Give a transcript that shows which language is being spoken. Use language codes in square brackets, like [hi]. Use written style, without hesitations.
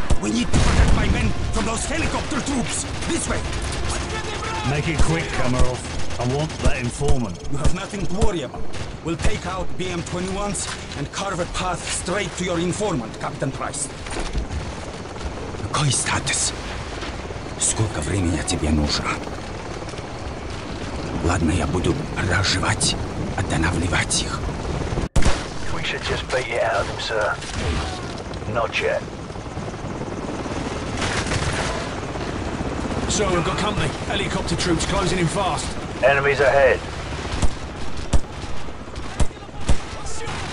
[en] We need to protect my men from those helicopter troops. This way. Make it quick, Kamarov. I want that informant. You have nothing to worry about. We'll take out BM-21s and carve a path straight to your informant, Captain Price. [ru] Какой статус? Сколько времени тебе нужно? Ладно, я буду разживать, останавливать их. [en] We should just beat it out of them, sir. Not yet. So we've got company. Helicopter troops closing in fast. Enemies ahead. Shoot.